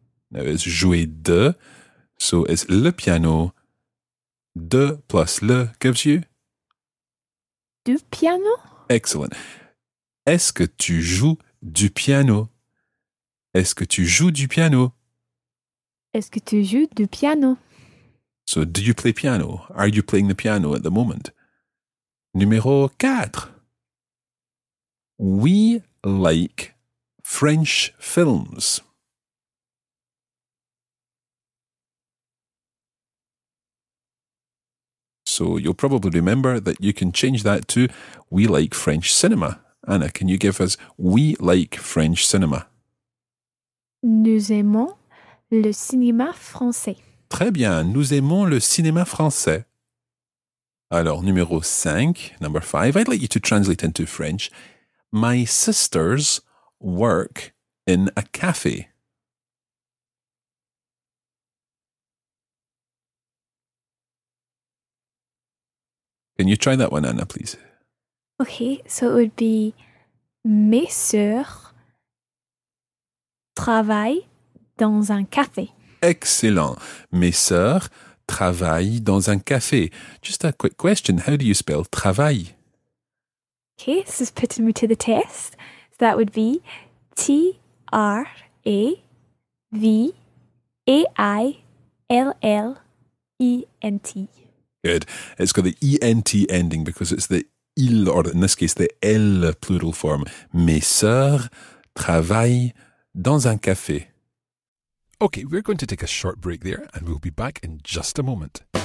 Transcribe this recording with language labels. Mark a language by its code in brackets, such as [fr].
[en] Now it's jouer de, so it's [fr] le piano. De plus le [en] gives you? [fr] Du piano? [en] Excellent. [fr] Est-ce que tu joues du piano? Est-ce que tu joues du piano? Est-ce que tu joues du piano? [en] So, do you play piano? Are you playing the piano at the moment? [fr] Numéro 4. [en] We like French films. So you'll probably remember that you can change that to we like French cinema. Anna, can you give us we like French cinema? [fr] Nous aimons Le cinéma français. Très bien. Nous aimons le cinéma français. Alors, numéro 5, [en] number 5. I'd like you to translate into French. My sisters work in a cafe. Can you try that one, Anna, please? Okay, so it would be [fr] mes sœurs travaillent dans un café. [en] Excellent. [fr] Mes sœurs travaillent dans un café. [en] Just a quick question. How do you spell travail? Okay, so this is putting me to the test. So that would be T-R-A-V-A-I-L-L-E-N-T. Good. It's got the E-N-T ending because it's the il, or in this case, the L plural form. [fr] Mes sœurs travaillent dans un café. [en] Okay, we're going to take a short break there and we'll be back in just a moment.